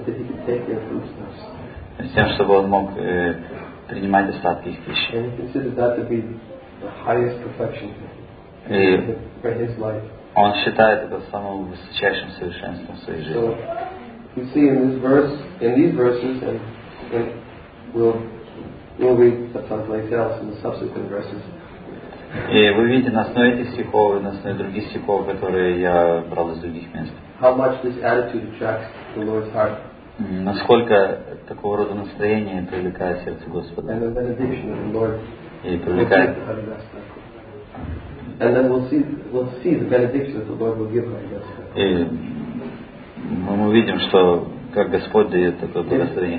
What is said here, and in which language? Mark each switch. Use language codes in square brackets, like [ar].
[ru] С тем, чтобы он мог принимать остатки их пищи. И он считает это самым высочайшим совершенством в своей жизни. [en] So, see in this verse, in these verses, and we'll read someplace else in the subsequent verses. [ru] И вы видите на основе этих стихов и на основе других стихов, которые я брал из других мест. [en] How much this attitude attracts the Lord's heart? [ru] Насколько такого рода настроение привлекает сердце Господа? [en] And the benediction of the Lord. [ru] И привлекает. [en] And then we'll see the benediction that the Lord will give him. [ru] И мы увидим, что как Господь дает такое благословение